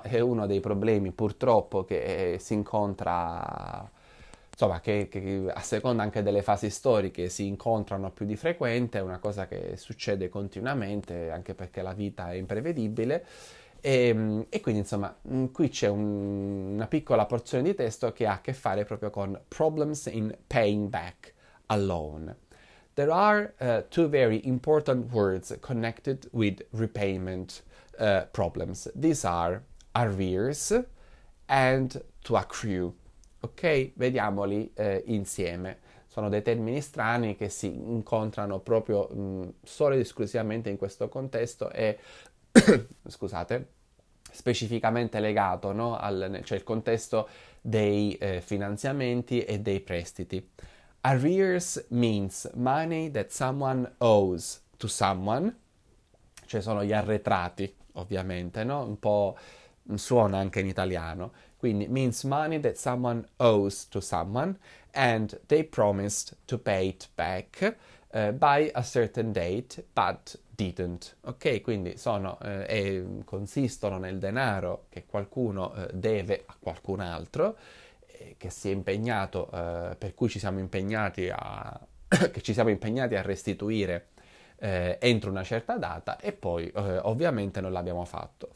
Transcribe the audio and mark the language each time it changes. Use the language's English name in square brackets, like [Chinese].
[Italian] È uno dei problemi purtroppo che si incontra, insomma, che a seconda anche delle fasi storiche si incontrano più di frequente, è una cosa che succede continuamente anche perché la vita è imprevedibile. E quindi, insomma, qui c'è una piccola porzione di testo che ha a che fare proprio con [English] problems in paying back a loan. There are two very important words connected with repayment problems. These are arrears and to accrue. Ok? [Italian] Vediamoli insieme. Sono dei termini strani che si incontrano proprio solo ed esclusivamente in questo contesto e... scusate, specificamente legato, no, cioè il contesto dei finanziamenti e dei prestiti. [English] Arrears means money that someone owes to someone, [Italian] cioè sono gli arretrati, ovviamente, no? Un po' suona anche in italiano. [English] Quindi means money that someone owes to someone and they promised to pay it back by a certain date, but didn't. [Italian] Ok, quindi consistono nel denaro che qualcuno deve a qualcun altro, che si è impegnato, per cui ci siamo impegnati a che ci siamo impegnati a restituire entro una certa data, e poi ovviamente non l'abbiamo fatto.